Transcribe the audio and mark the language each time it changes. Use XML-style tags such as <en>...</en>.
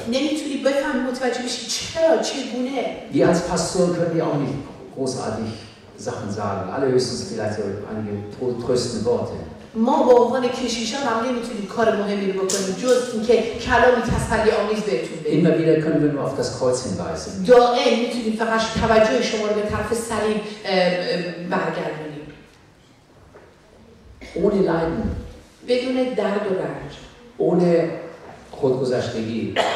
<de>Wir als Pastoren können dir auch nicht großartig Sachen sagen, allerhöchstens vielleicht einige tröstende Worte.</de> <fa>ما با عنوان کشیشان هم نمیتونیم کار مهمی رو بکنیم جز اینکه کلامی تسلی آمیز بهتون بدیم.</fa> <de>Immer wieder können wir nur auf das Kreuz hinweisen.</de> <fa>دائم میتونیم فقط توجه شما رو به طرف صلیب برگردونیم.</fa> <de>Ohne Leiden.</de> <fa>بدون درد و رنج.</fa> <de>Ohne خودگذشتگی.</de>